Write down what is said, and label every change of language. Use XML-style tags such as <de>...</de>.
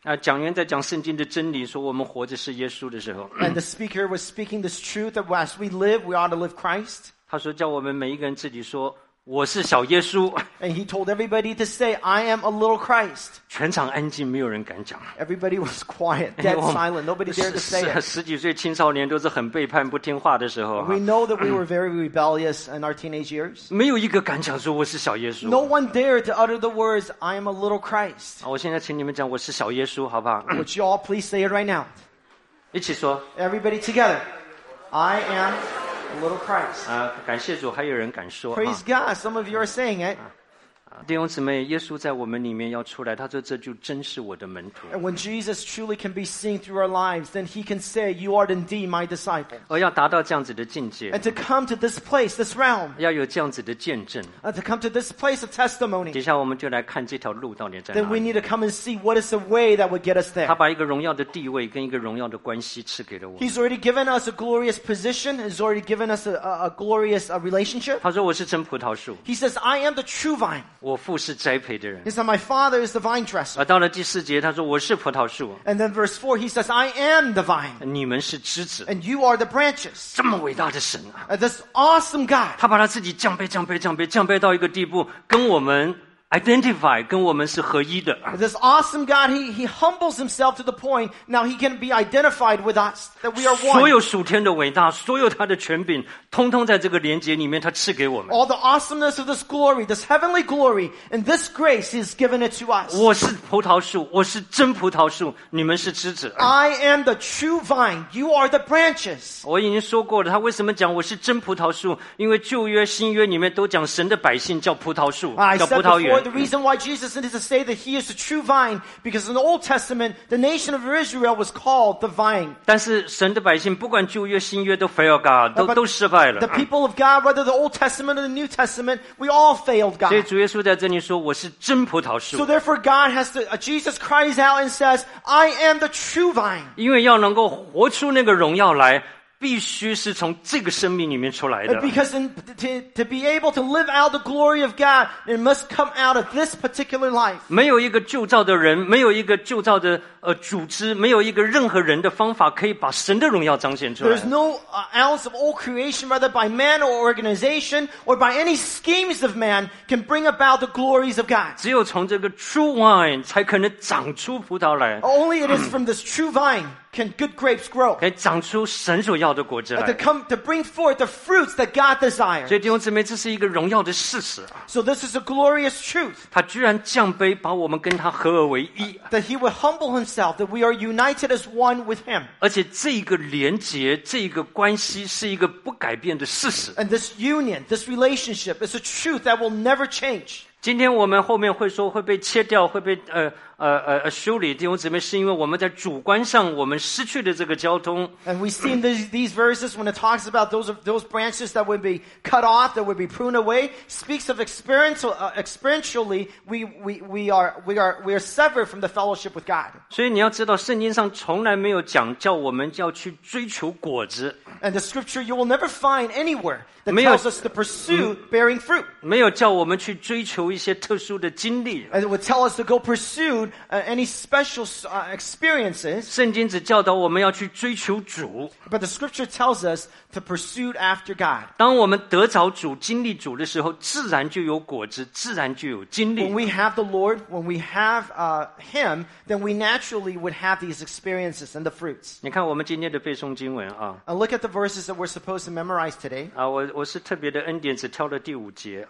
<zh>讲员在讲圣经的真理，说我们活着是耶稣的时候。</zh> <en>And the speaker was speaking this truth that as we live, we ought to live Christ.</en> <zh>他说叫我们每一个人自己说。我是小耶稣。</zh> <en>And he told everybody to say, I am a little Christ.</en> <zh>全场安静，没有人敢讲。</zh> <en>Everybody was quiet, dead silent. Nobody dared to say it.</en> <zh>十几岁青少年都是很背叛、不听话的时候。</zh> <en>We know that we were very rebellious in our teenage years.</en> <zh>没有一个敢讲说我是小耶稣。</zh> <en>No one dared to utter the words, I am a little Christ.</en> <zh>我现在请你们讲我是小耶稣，好不好？</zh> <en>Would you all please say it right now?</en> <zh>一起说。</zh> <en>Everybody together. I am... Little Christ.</en> <zh>感谢主，还有人敢说。</zh> <en>Praise God, some of you are saying it.</en> <zh>弟兄姊妹，耶稣在我们里面要出来，他说这就真是我的门徒。</zh> <en>And when Jesus truly can be seen through our lives, then he can say, you are indeed my disciple.</en> <zh>而要达到这样子的境界。</zh> <en>And to come to this place, this realm.</en> <zh>要有这样子的见证。</zh> <en>And to come to this place of testimony.</en> <zh>底下我们就来看这条路到底在哪里。</zh> <en>Then we need to come and see what is the way that would get us there.</en> <zh>他把一个荣耀的地位跟一个荣耀的关系赐给了我们。</zh> <en>He's already given us a glorious position, he's already given us a glorious relationship.</en> <zh>他说我是真葡萄树。</zh> <en>He says, I am the true vine.</en> <zh>我父是栽培的人。</zh> <en>He said, "My father is the vine dresser."</en> <zh>到了第四节，他说我是葡萄树。</zh> <en>And then verse 4, he says, "I am the vine."</en> <zh>你们是枝子。</zh> <en>And you are the branches.</en> <zh>这么伟大的神啊</zh> <en>！This awesome God.</en> <zh>他把他自己降卑、降卑、降卑、降卑到一个地步，跟我们 identify， 跟我们是合一的。</zh> <en>This awesome God, he humbles himself to the point now he can be identified with us that we are one.</en> <zh>所有属天的伟大，所有他的权柄。通通在这个连结里面，他赐给我们。</zh> <en>All the awesomeness of this glory, this heavenly glory, and this grace is given it to us.</en> <zh>我是葡萄树，我是真葡萄树，你们是枝子。</zh> <en>I am the true vine, you are the branches.</en> <zh>我已经说过了，他为什么讲我是真葡萄树？因为旧约、新约里面都讲神的百姓叫葡萄树，叫葡萄园。</zh> <en>I said before Therefore, the reason why Jesus needed to say that he is the true vine, because in the Old Testament, the nation of Israel was called the vine.</en> <zh>但是神的百姓不管旧约新约都</zh> <en>fail God,</en> <zh>都失败了。</zh> <en>The people of God, whether the Old Testament or the New Testament, we all failed God.</en> <zh>所以主耶稣在这里说我是真葡萄树。</zh> <en>So therefore, God has to, Jesus cries out and says, I am the true vine.</en> <zh>因为要能够活出那个荣耀来必须是从这个生命里面出来的。</zh> <en>Because to be able to live out the glory of God, it must come out of this particular life.</en> <zh>没有一个旧造的人，没有一个旧造的组织，没有一个任何人的方法可以把神的荣耀彰显出来。</zh> <en>There's no ounce of all creation, whether by man or organization, or by any schemes of man, can bring about the glories of God.</en> <zh>只有从这个</zh> <en>true wine</en> <zh>才可能长出葡萄来。</zh> <en>Only it is from this true vine. Can good grapes grow?</en> <zh>可以长出神所要的果子来。</zh> <en>To bring forth the fruits that God desires.</en> <zh>所以弟兄姊妹，这是一个荣耀的事实。</zh> <en>So this is a glorious truth.</en> <zh>他居然降卑，把我们跟他合而为一。</zh> <en>That he would humble himself, that we are united as one with him.</en> <zh>而且这一个连结，这一个关系是一个不改变的事实。</zh> <en>And this union, this relationship, is a truth that will never change.</en> <zh>今天我们后面会说会被切掉会被修理弟兄姊妹是因为我们在主观上我们失去了这个交通</zh> <en>and we've seen these verses when it talks about those branches that would be cut off that would be pruned away speaks of experientially we are severed from the fellowship with God</en> <zh>所以你要知道圣经上从来没有讲叫我们要去追求果子</zh> <en>and the scripture you will never find anywhere that tells us to pursue bearing fruit</en> <zh>没有叫我们去追求一些特殊的经历</zh> <en>and it would tell us to go pursue any special experiences</en> <zh>圣经只教导我们要去追求主</zh> <en>but the scripture tells us to pursue after God</en> <zh>当我们得着主经历主的时候自然就有果子自然就有经历</zh> <en>when we have the Lord when we have him then we naturally would have these experiences and the fruits</en> <zh>你看我们今天的背诵经文啊</zh> <en>look at the verses that we're supposed to memorize today</en> <zh>我是特别的恩典只挑了第五节</zh>